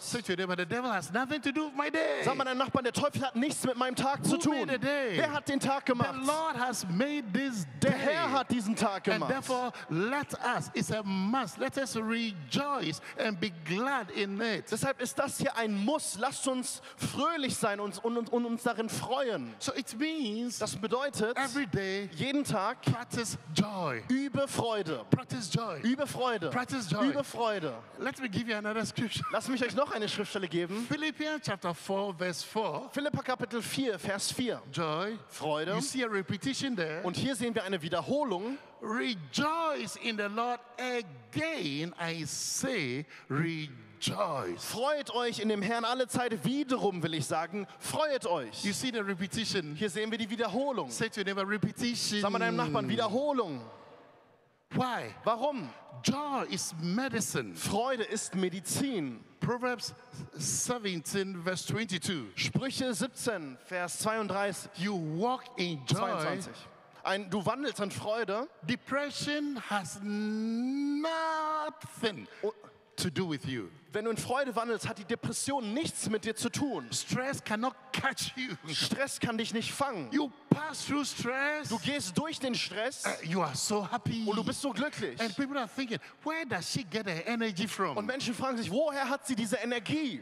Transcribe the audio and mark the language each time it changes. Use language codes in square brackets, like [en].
[en] Say to your neighbor, the devil has nothing to do with my day. [de] Sag mal deinem Nachbarn, der Teufel hat nichts mit meinem Tag zu tun. [en] Who made the day? [de] Wer hat den Tag gemacht? [en] The Lord has made this day. [de] Der Herr hat diesen Tag gemacht. [en] And therefore, let us rejoice and be glad in it. [de] Deshalb ist das hier ein Muss. Lasst uns fröhlich sein und uns darin freuen. [en] So it means, [de] das bedeutet, [en] every day, [de] jeden Tag, [en] practice joy. [de] Über Freude. [en] Practice joy. [de] Über Freude. [en] Practice joy. [de] Über Freude. [en] Let me give you another scripture. [de] Lass mich euch noch eine Schriftstelle geben. [en] Philippians chapter 4 verse 4. [de] Philipper Kapitel 4 Vers 4. [en] Joy. [de] Freude. [en] You see a repetition there. [de] Und hier sehen wir eine Wiederholung. [en] Rejoice in the Lord again, I say, rejoice. [de] Freut euch in dem Herrn alle Zeit wiederum, will ich sagen. Freut euch. [en] You see the repetition. [de] Hier sehen wir die Wiederholung. [en] Say to your neighbor, repetition. [de] Sag mal deinem Nachbarn, Wiederholung. [en] Why? [de] Warum? [en] Joy is medicine. [de] Freude ist Medizin. [en] Proverbs 17, verse 22. [de] Sprüche 17, Vers 32. [en] You walk in joy. [de] 22. Du wandelst in Freude. [en] Depression has nothing to do with you. [de] Wenn du in Freude wandelst, hat die Depression nichts mit dir zu tun. [en] Stress cannot catch you. [de] Stress kann dich nicht fangen. [en] You pass through stress. [de] Du gehst durch den Stress. [en] You are so happy. [de] Und du bist so glücklich. [en] And people are thinking, where does she get her energy from? [de] Und Menschen fragen sich, woher hat sie diese Energie?